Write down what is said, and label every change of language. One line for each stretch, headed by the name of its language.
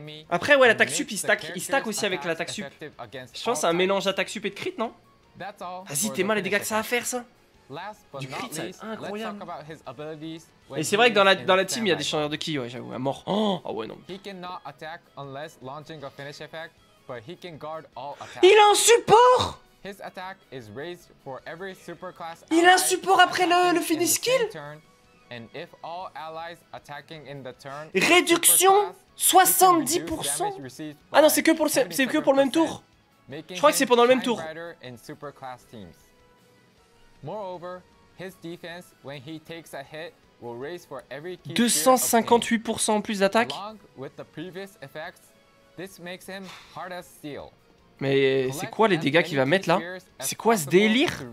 French: Après, ouais, l'attaque sup, il stack aussi avec l'attaque sup. Je pense que c'est un mélange d'attaque sup et de crit, non? Vas-y, t'es mal les dégâts que ça a à faire, ça. Du crit, c'est incroyable. Et c'est vrai que dans la team, il y a des changeurs de ki, ouais, j'avoue, à mort. Oh, ouais, non.
English: He cannot attack unless launching a finish effect but he can guard all attacks.
French: Il a un support.
English: His attack is raised for every super class.
French: Il a un support après le finish skill.
English: And if all allies attacking in the turn,
French: réduction 70%. Ah non, c'est que pour le même tour. Je crois que c'est pendant le même tour.
English: Super class teams. Moreover, his defense when he takes a hit will raise for every key.
French: 258% en plus d'attaque.
English: With the previous effects, this makes him hard as steel.
French: Mais c'est quoi les dégâts qu'il va mettre là? C'est quoi ce délire?